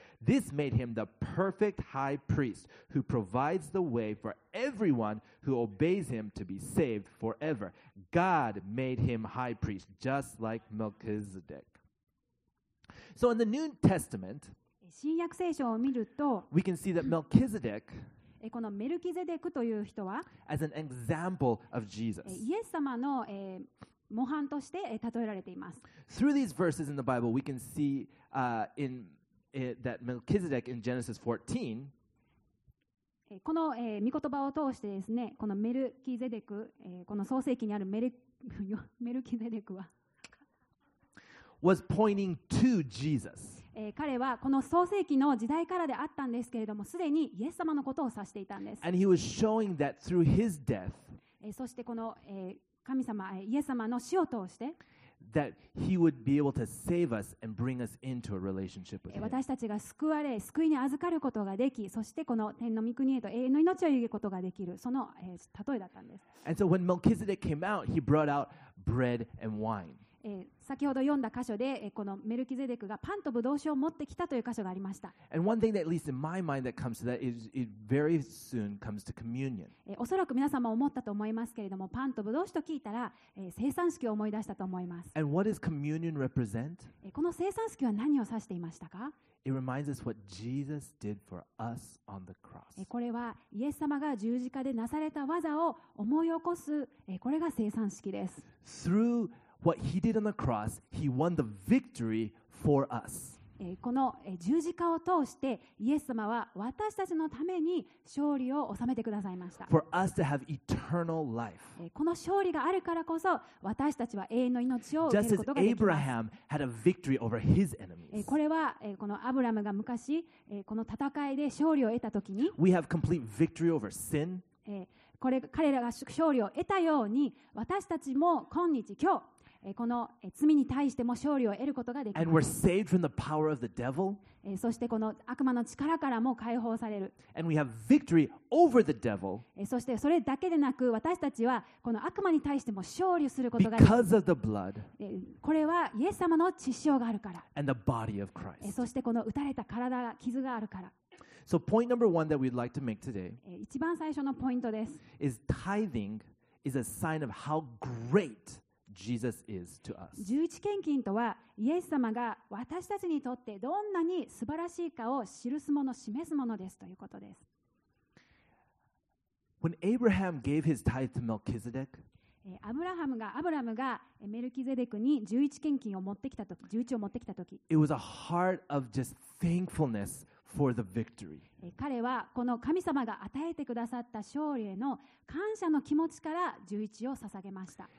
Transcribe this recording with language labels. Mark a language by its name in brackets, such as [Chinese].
[English] This made him the perfect high priest who provides the way for everyone who obeys him to be saved forever. God made him high priest just like Melchizedek. So in the New Testament, [Japanese] 新約聖書を見ると、 [English] we can see that Melchizedek, [Japanese] このメルキゼデクという人は、 [English] as an example of Jesus, [Japanese] イエス様の、模範として例えられています。 [English] Through these verses in the Bible, we can see, in, that Melchizedek in Genesis 14, [Japanese] この、御言葉を通してですね、このメルキゼデク、この創世記にあるメルキゼデクは、 [English] was pointing to Jesus. [Japanese] 彼はこの創世記の時代からであったんですけれども、すでにイエス様のことを指していたんです。 [English] And he was showing that through his death, [Japanese] そしてこの、神様、イエス様の死を通して、 [English] that he would be able to save us and bring us into a relationship with him. [Japanese] 私たちが救われ、救いに預かることができ、そしてこの天の御国へと永遠の命を得ることができる、その、例えだったんです。 [English] And so when Melchizedek came out, he brought out bread and wine. [Japanese] 先ほど読んだ箇所で、このメルキゼデクがパンとブドウ酒を持ってきたという箇所がありました。 [English] And one thing that at least in my mind that comes to that is it very soon comes to communion. [Japanese] おそらく皆様思ったと思いますけれども、パンとブドウ酒と聞いたら、聖餐式を思い出したと思います。 [English] And what does communion represent? [Japanese] この聖餐式は何を指していましたか? [English] It reminds us what Jesus did for us on the cross. [Japanese] これはイエス様が十字架でなされた技を思い起こす、これが聖餐式です。 [English] ThroughWhat he did on the cross, he won the victory for us. [Japanese] この十字架を通してイエス様は私たちのために勝利を収めてくださいました。 [English] For us to have eternal life. [Japanese] この勝利があるからこそ私たちは永遠の命を受けることができます。 [English] Just as Abraham had a victory over his enemies. [Japanese] これはこのアブラムが昔この戦いで勝利を得たときに、 [English] We have complete victory over sin. [Japanese] これ彼らが勝利を得たように私たちも今日今日この罪に対しても勝利を得ることができます。 [English] And we're saved from the power of the devil. [Japanese] そしてこの悪魔の力からも解放される。 [English] And we have victory over the devil. [Japanese] そしてそれだけでなく私たちはこの悪魔に対しても勝利することができます。 [English] Because of the blood. [Japanese] これはイエス様の血潮があるから。 [English] And the body of Christ. [Japanese] そしてこの打たれた体が傷があるから。 [English] So point number one that we'd like to make today. [Japanese] 一番最初のポイントです。 [English] Is tithing is a sign of how great. Jesus is to us. [Japanese] 十一献金とはイエス様が私たちにとってどんなに素晴らしいかを記すもの示すものですということです。 [English] When Abraham gave his tithe to Melchizedek, [Japanese] アブラハムがメルキゼデクに十一献金を持ってきたとき、十一を持ってきたとき、 [English] It was a heart of just thankfulness for the victory. [Japanese] 彼はこの神様が与えてくださった勝利への感謝の気持ちから十一を捧げました。